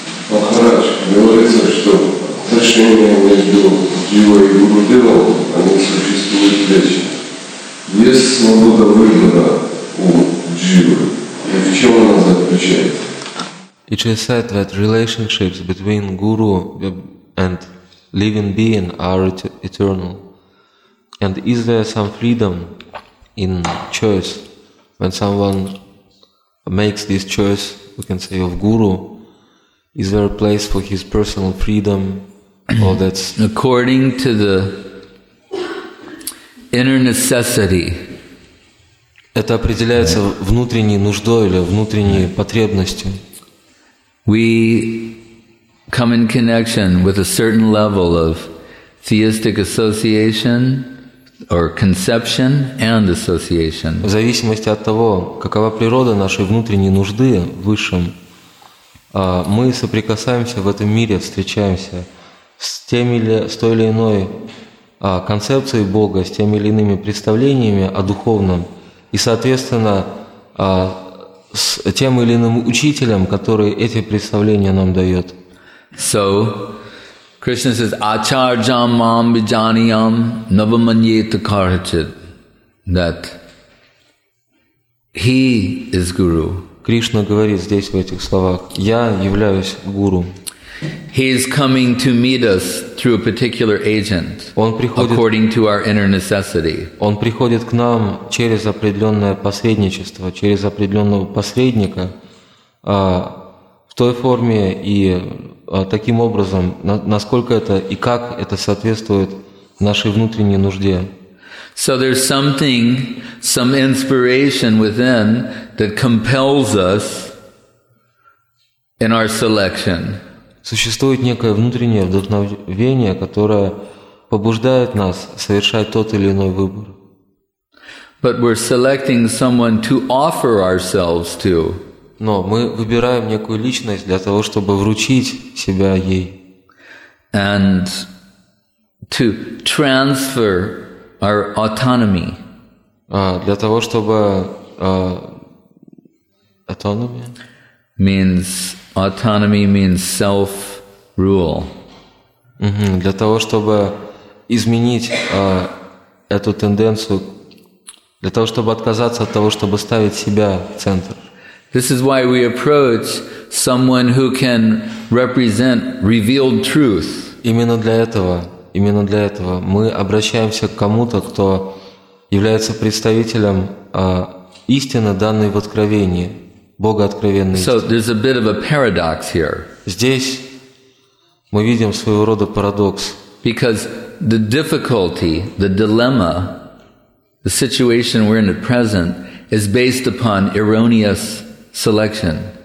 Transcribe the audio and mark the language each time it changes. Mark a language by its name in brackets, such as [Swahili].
[Russian] Махарадж, говорится, что отношения между Дживой и Гурудевом, они существуют вечно. Есть свобода выбора у Дживы, и в чем она заключается? [English] It is said that relationships between Guru and living being are eternal. And is there some freedom in choice when someone makes this choice, we can say, of Guru? Is there a place for his personal freedom? Well, that's according to the inner necessity. [Russian] Это определяется внутренней нуждой или внутренней потребностью. [English] We come in connection with a certain level of theistic association or conception and association. [Russian] В зависимости от того, какова природа нашей внутренней нужды в высшем, мы соприкасаемся в этом мире, встречаемся с тем или с той или иной концепцией Бога, с теми или иными представлениями о духовном, и, соответственно, с тем или иным учителем, который эти представления нам дает. [English] So, Krishna says, [Sanskrit] Acharjam mam bijaniyam navamanyeta karachit, [English] that he is guru. [Russian] Кришна говорит здесь в этих словах, я являюсь гуру. [English] He is coming to meet us through a particular agent, according to our inner necessity. [Russian] Он приходит к нам через определенное посредничество, через определенного посредника, в той форме и таким образом, насколько это и как это соответствует нашей внутренней нужде. [English] So there's something, some inspiration within that compels us in our selection. [Russian] Существует некое внутреннее вдохновение, которое побуждает нас совершать тот или иной выбор. [English] But we're selecting someone to offer ourselves to. [Russian] Но мы выбираем некую личность для того, чтобы вручить себя ей. [English] And to transfer our autonomy. [Russian] Для того, чтобы autonomy [English] means autonomy means self-rule. [Russian] Для того, чтобы изменить эту тенденцию, для того, чтобы отказаться от того, чтобы ставить себя в центр. [English] This is why we approach someone who can represent revealed truth. [Russian] Именно для этого мы обращаемся к кому-то, кто является представителем истины, данной в откровении. Бога откровенной истины. [English] So there's a bit of a paradox here. [Russian] Здесь мы видим своего рода парадокс. [English] Because the difficulty, the dilemma, the situation we're in at present is based upon erroneous selection.